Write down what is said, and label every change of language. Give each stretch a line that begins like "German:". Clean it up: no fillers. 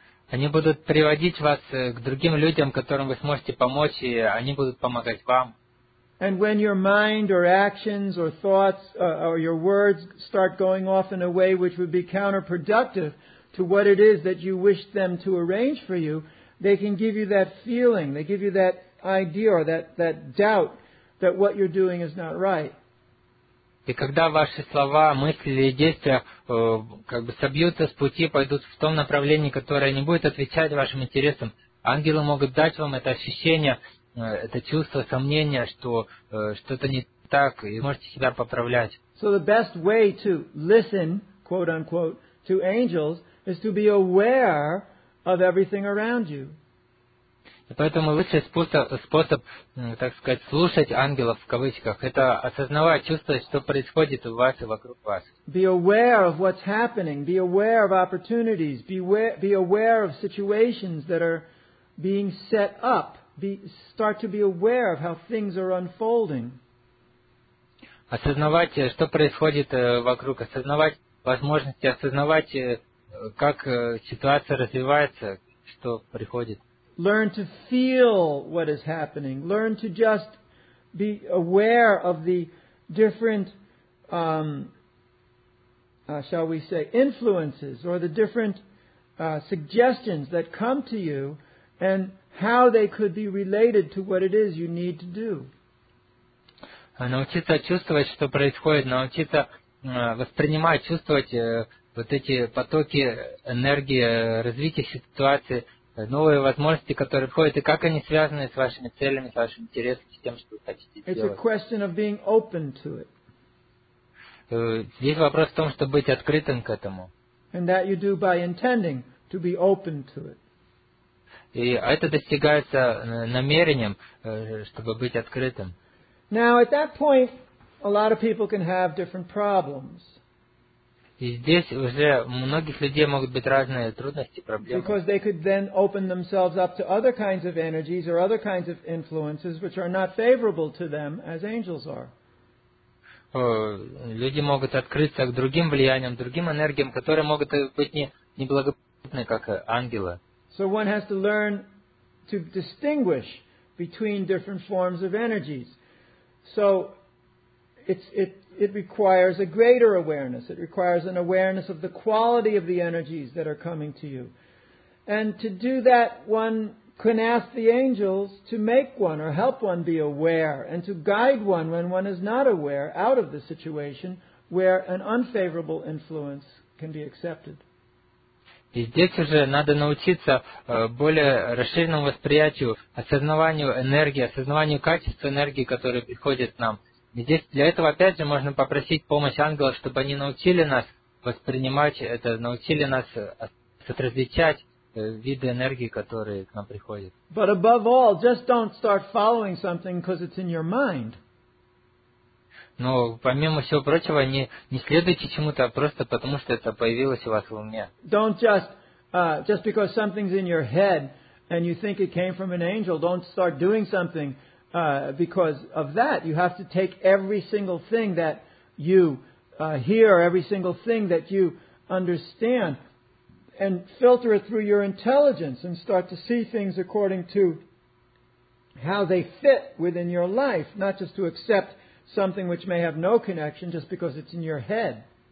Russian: Они будут приводить вас к другим людям, которым вы сможете помочь, и они будут помогать вам.
English: And when your mind or actions or thoughts or your words start going off in a way which would be counterproductive to what it is that you wish them to arrange for you, they can give you that feeling, they give you that idea or that doubt that what you're doing is not right.
Russian: И когда ваши слова, мысли или действия как бы собьются с пути, пойдут в том направлении, которое не будет отвечать вашим интересам, ангелы могут дать вам это ощущение, это чувство сомнения, что что-то не так, и можете себя поправлять.
English: So the best way to listen, quote unquote, to angels is to be aware of everything around you.
Russian: И поэтому лучший способ, так сказать, слушать ангелов в кавычках, это осознавать, чувствовать, что происходит у вас и вокруг вас.
English: Be aware of what's happening, be aware of opportunities, be aware of situations that are being set up, start to be aware of how things are unfolding.
Russian: Осознавать, что происходит вокруг, осознавать возможности, осознавать, как ситуация развивается, что приходит.
English: Learn to feel what is happening. Learn to just be aware of the different, shall we say, influences or the different suggestions that come to you and how they could be related to what it is you need to do.
Russian: Научиться чувствовать, что происходит, научиться воспринимать, чувствовать вот эти потоки энергии, развития ситуации, новые возможности, которые входят, и как они связаны с вашими целями, с вашими интересами, с тем, что вы хотите сделать.
English: It's a question of being open to it.
Russian: Здесь вопрос в том, чтобы быть открытым к этому.
English: And that you do by intending to be open to it.
Russian: И это достигается намерением, чтобы быть открытым.
English: Now, at that point, a lot of people can have different problems.
Russian: И здесь уже у многих людей могут быть разные трудности, проблемы.
English: Because they could then open themselves up to other kinds of energies or other kinds of influences which are not favorable to them as angels are.
Russian: Люди могут открыться к другим влияниям, другим энергиям, которые могут быть неблагоприятны, как ангелы.
English: So one has to learn to distinguish between different forms of energies. So it requires a greater awareness. It requires an awareness of the quality of the energies that are coming to you. And to do that, one can ask the angels to make one or help one be aware and to guide one when one is not aware out of the situation where an unfavorable influence can be accepted.
Russian: И здесь уже надо научиться более расширенному восприятию, осознаванию энергии, осознаванию качества энергии, которая приходит к нам. И здесь для этого, опять же, можно попросить помощь ангелов, чтобы они научили нас воспринимать это, научили нас отразличать виды энергии, которые к нам приходят.
English: But above all, just don't start following something because it's in your mind.
Russian: Но, помимо всего прочего, не следуйте чему-то просто потому, что это появилось у вас в уме.
English: Don't just because something's in your head and you think it came from an angel, don't start doing something. Because of that, you have to take every single thing that you hear, every single thing that you understand, and filter it through your intelligence and start to see things according to how they fit within your life, not just to accept something which may have no connection just because it's in your head.